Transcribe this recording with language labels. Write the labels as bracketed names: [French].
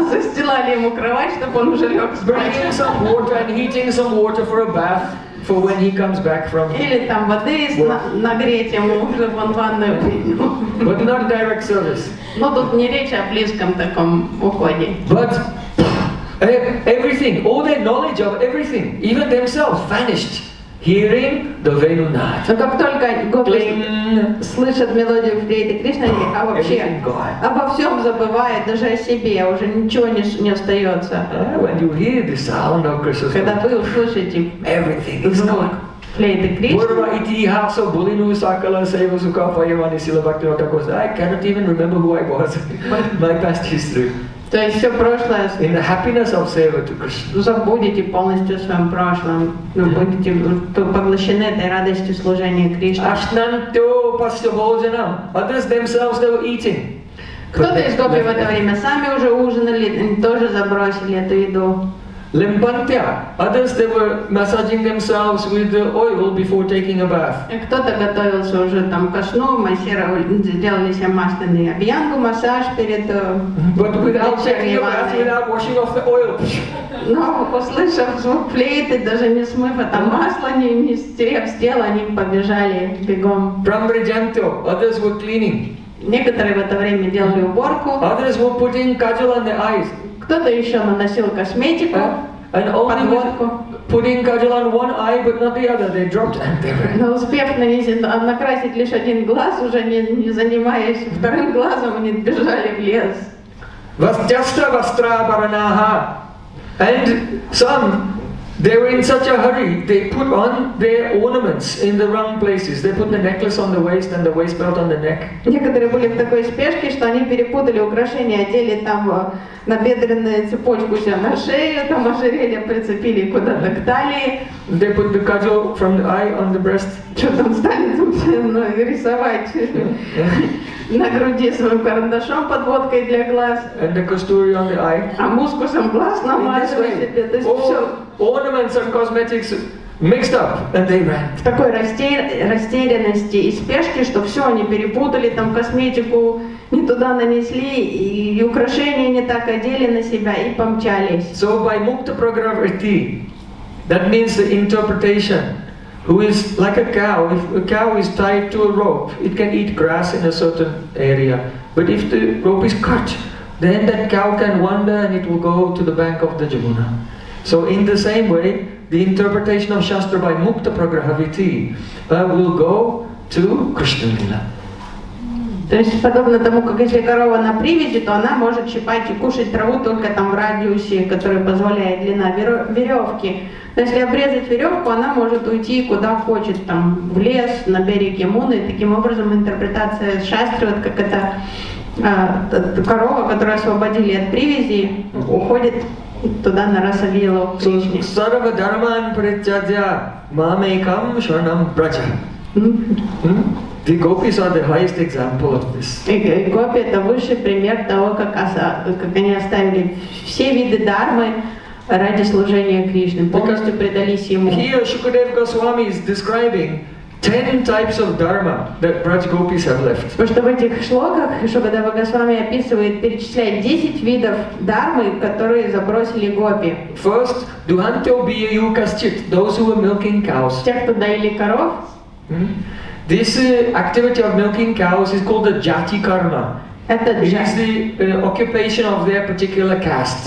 [Russian] Застилали ему кровать, чтобы он уже лег спать. [English] Bringing some water and heating some water for a bath for when he comes back from work. [Russian] Или там воды нагреть ему, чтобы он ванную принял. [English] But not direct service. [Russian] Но тут не речь о близком таком уходе. [English] But everything, all their knowledge of everything, even themselves, vanished, hearing the Venu Nad. [Russian] Но как только гопи слышат мелодию флейты Кришны, а вообще обо всем забывает, даже о себе, уже ничего не остается. [English] When you hear the sound of Krishna's [Russian] flute, когда вы услышите [English] everything is gone. played the Krishna. I cannot even remember who I was. My past history. [Russian] То есть все прошлое. [English] In the happiness of Seva to Krishna. [Russian] Забудете полностью о своем прошлом, но будете поглощены этой радостью служения Кришне. [Sanskrit] Ashnanto pasyabhojanam. [English] Others themselves they were eating. [Russian] Кто-то из гопи в это время сами уже ужинали, тоже забросили эту еду. [Sanskrit] Limbantya. [English] Others they were massaging themselves with the oil before taking a bath. [Russian] Кто-то готовился уже там ко сну, делали себе масляный абьянгу массаж перед. [English] But without taking a bath, without washing off the oil. [Russian] Но услышав звук флейты, даже не смыв это масло, не стерев с тела, они побежали бегом. [English] Prambrajanto. Others were cleaning. [Russian] Некоторые в это время делали уборку. [English] Others were putting kajal on their eyes. [Russian] Кто-то еще наносил косметику, подводку. [English] Putting kajal on one eye, but not the other. They dropped and they were. [Russian] Но успев накрасить лишь один глаз, уже не занимаясь вторым глазом, они бежали в лес. [Sanskrit] Vastyastra vastra paranaha. [English] And some, they were in such a hurry, they put on their ornaments in the wrong places. They put the necklace on the waist and the waist belt on the neck. [Russian] Некоторые были в такой спешке, что они перепутали украшения, одели там на бедренную цепочку себя на шею, там ожерелье прицепили куда-то к талии. [English] They put the cudgel from the eye on the breast. [Russian] Что там стали рисовать на груди своим карандашом под водкой для глаз. [English] And the kasturi on the eye. [Russian] А мускусом глаз намазывали себе. То есть все. [English] Ornaments and cosmetics mixed up, and they ran. [Russian] В такой растерянности и спешке, что все они перепутали, там косметику не туда нанесли и украшения не так одели на себя и помчались. [English] So by mukta pragravrti, that means the interpretation. Who is like a cow? If a cow is tied to a rope, it can eat grass in a certain area. But if the rope is cut, then that cow can wander and it will go to the bank of the Jamuna. So in the same way, the interpretation of Shastra by Mukta Prograhaviti will go to Krishna Lila. [Russian] То есть подобно тому, как если корова на привязи, то она может щипать и кушать траву только там в радиусе, который позволяет длина веревки. То есть если обрезать веревку, она может уйти куда хочет, там в лес, на берег Ямуны. Таким образом интерпретация Шастры, вот как эта корова, которую освободили от привязи, уходит туда на Расавилу Кришне. [Sanskrit] Сарва дарман притядя мамейкам шарнам брача. [English] The gopis are the highest example of this. [Russian] Гопи – это высший пример того, как они оставили все виды дармы ради служения Кришне, полностью предались ему. [English] Here Shukadev Goswami is describing 10 types of dharma that Braj gopis have left. [Russian] Потому что в этих шлоках Шукадев Госвами описывает, перечисляет 10 видов дармы, которые забросили гопи. [English] First, [Sanskrit] duhanto biyu kaschit, [English] those who were milking cows. [Russian] Тех, кто доили коров. [English] This activity of milking cows is called the jati karma. It is the occupation of their particular caste.